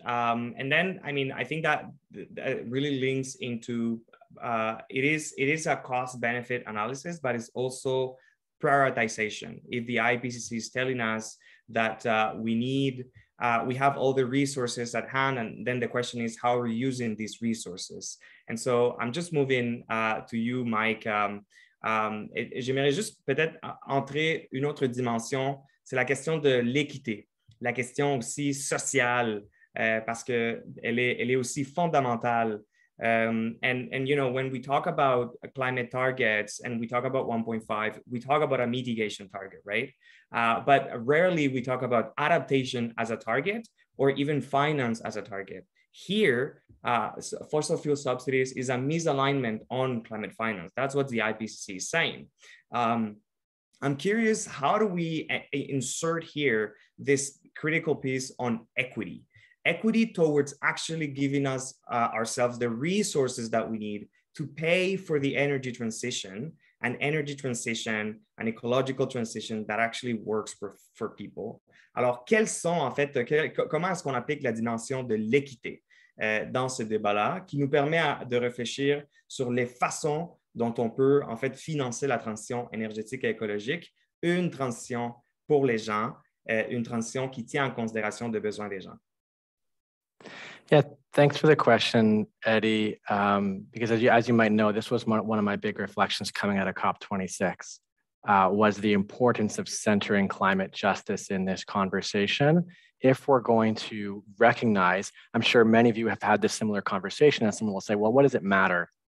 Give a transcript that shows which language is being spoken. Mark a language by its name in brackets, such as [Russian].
[English] And then, I mean, I think that really links into, it is a cost-benefit analysis, but it's also prioritization. If the IPCC is telling us that we have all the resources at hand, and then the question is, how are we using these resources? And so I'm just moving to you, Mike. [French] J'aimerais juste peut-être entrer une autre dimension, c'est la question de l'équité, la question aussi sociale, parce que elle est aussi fondamentale. [English] And you know, when we talk about climate targets and we talk about 1.5, we talk about a mitigation target, right? But rarely we talk about adaptation as a target or even finance as a target. Here, fossil fuel subsidies is a misalignment on climate finance. That's what the IPCC is saying. I'm curious, how do we insert here this critical piece on equity? Equity towards actually giving us ourselves the resources that we need to pay for the energy transition, an energy transition, an ecological transition that actually works for people. [French] Alors, quels sont en fait, comment est-ce qu'on applique la dimension de l'équité dans ce débat-là, qui nous permet de réfléchir sur les façons dont on peut en fait financer la transition énergétique et écologique, une transition pour les gens, une transition qui tient en considération les besoins des gens. [English] Yeah, thanks for the question, Eddie, because as you might know, this was one of my big reflections coming out of COP26, was the importance of centering climate justice in this conversation. If we're going to recognize, I'm sure many of you have had this similar conversation, and someone will say, well, what does it matter?